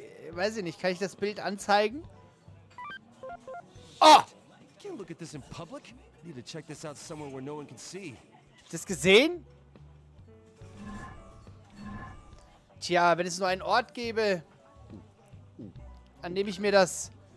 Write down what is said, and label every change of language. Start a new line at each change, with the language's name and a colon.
German: Weiß ich nicht, kann ich das Bild anzeigen? Oh!
English: I can't look at this in public. I need to check this out somewhere where no one can see.
German: Das gesehen? Tja, wenn es nur einen Ort gäbe, an dem ich mir das...